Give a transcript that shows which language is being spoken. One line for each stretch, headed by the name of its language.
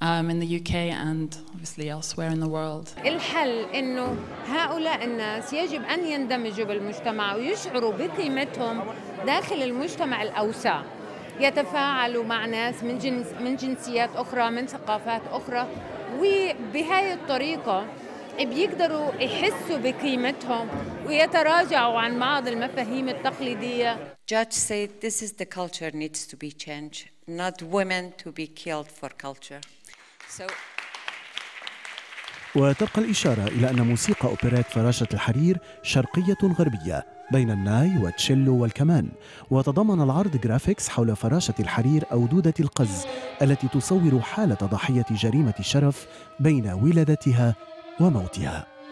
English: In the UK and obviously elsewhere in the world.
Arabic: الحل إنه هؤلاء الناس يجب أن يندمجوا بالمجتمع ويشعروا بقيمتهم داخل المجتمع الأوسع، يتفاعلوا مع ناس من جنسيات أخرى، من ثقافات أخرى، وبهاي الطريقة بيقدروا يحسوا بقيمتهم ويتراجعوا عن بعض المفاهيم التقليدية.
English: Judge said this is the culture needs to be changed, not women to be killed for culture.
Arabic: وتبقى الإشارة إلى أن موسيقى أوبرات فراشة الحرير شرقية غربية بين الناي والتشيلو والكمان، وتضمن العرض جرافيكس حول فراشة الحرير أو دودة القز التي تصور حالة ضحية جريمة الشرف بين ولادتها وموتها.